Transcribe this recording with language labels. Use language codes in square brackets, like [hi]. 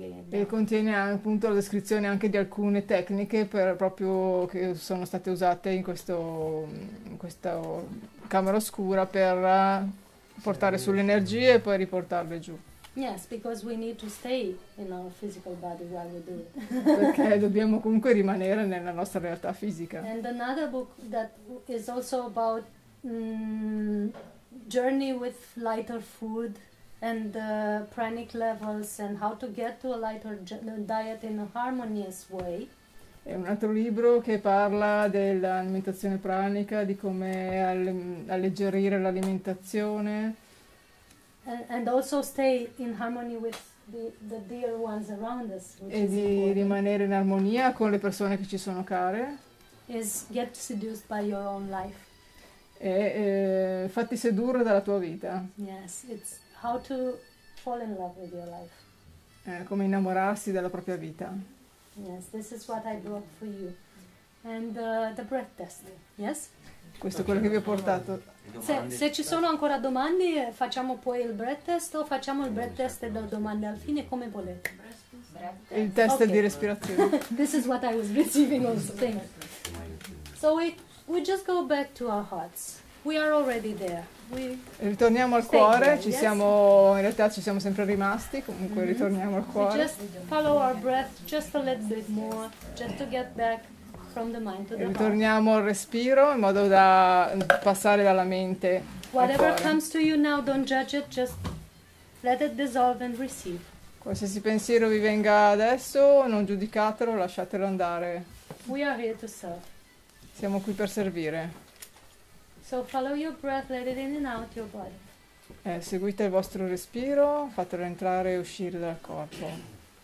[it] E contiene appunto la descrizione anche di alcune tecniche per proprio che sono state usate in questa camera oscura per portare su l'energia e poi riportarle giù. [en] Yes, because we need to stay in our physical body while we do it. [it] Perché dobbiamo comunque rimanere nella nostra realtà fisica. [en] And another book that is also about journey with lighter food. And pranic levels and how to get to a lighter diet in a harmonious way. [it] È un altro libro che parla dell'alimentazione pranica, di come alleggerire l'alimentazione. [en] And also stay in harmony with the dear ones around us. [it] E di rimanere in armonia con le persone che ci sono care. [en] is get seduced by your own life. [it] Fatti sedurre dalla tua vita. [en] Yes, it's how to fall in love with your life. [it] Come innamorarsi della propria vita. [en] Yes, this is what I brought for you. And the breath test, yes? [it] Questo è quello che vi ho portato. Se ci sono ancora domande, facciamo poi il breath test o facciamo il breath test e do domande al fine, come volete. Il test di respirazione. [en] This is what I was receiving also. Thing. So we just go back to our hearts. We are already there. [it] Ritorniamo al cuore, ci siamo, in realtà ci siamo sempre rimasti, comunque ritorniamo al cuore. [en] We just follow our breath just a little bit more, just to get back. From the mind to the [it] ritorniamo [en] heart. [it] Al respiro in modo da passare dalla mente. [en] Whatever [it] al cuore. [en] Comes to you now, don't judge it, just let it dissolve and receive. [it] Qualsiasi pensiero vi venga adesso, non giudicatelo, lasciatelo andare. [en] We are here to serve. [it] Siamo qui per servire. [en] So follow your breath, let it in and out your body. [it] Seguite il vostro respiro, fatelo entrare e uscire dal corpo.